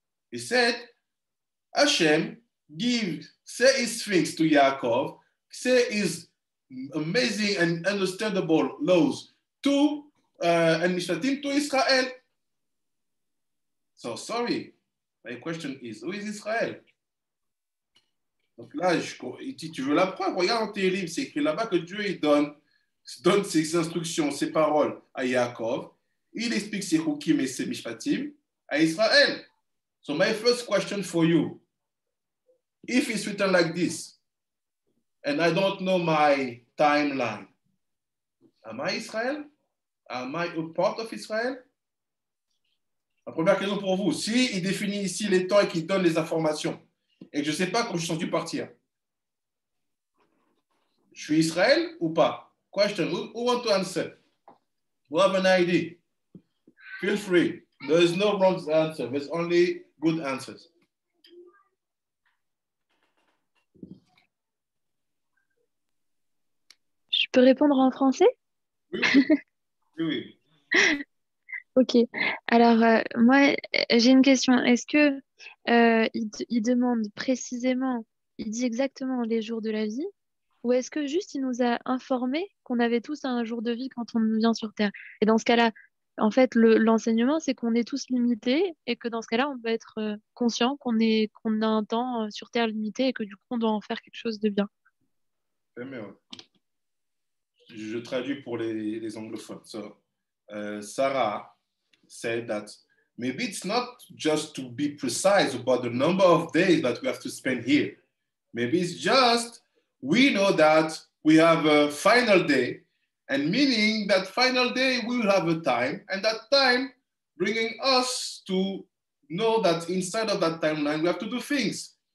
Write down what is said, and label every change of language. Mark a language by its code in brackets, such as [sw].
[en] He said, Hashem give say his things to Yaakov, say his amazing and understandable laws to and mishpatim to Israel. So sorry, my question is, who is Israel? [fr] Donc là, tu veux la preuve, regarde dans tes livres, c'est écrit là-bas que Dieu donne ses instructions, ses paroles à Yaakov. Il explique ses hukim et ses mishpatim à Israël. [en] So my first question for you, if it's written like this, and I don't know my timeline, am I Israël? Am I a part of Israël? [fr] La première question pour vous, si il définit ici les temps et qu'il donne les informations, et que je ne sais pas quand je suis censé partir. Je suis Israël ou pas? [en] Question. Who want to answer? Who have an idea? Feel free. There is no wrong answer. There's only good answers. [fr] Je peux répondre en français? Oui. Ok. Alors, moi, j'ai une question. Est-ce que il demande précisément, il dit exactement les jours de la vie, ou est-ce que juste il nous a informé qu'on avait tous un jour de vie quand on vient sur Terre? Et dans ce cas-là, en fait, l'enseignement, c'est qu'on est tous limités et que dans ce cas-là, on peut être conscient qu'on a un temps sur Terre limité et que du coup, on doit en faire quelque chose de bien. Je traduis pour les anglophones. [en] So, Sarah said that maybe it's not just to be precise about the number of days that we have to spend here. Maybe it's just we know that we have a final day, and meaning that final day we will have a time, and that time bringing us to know that inside of that timeline we have to do things.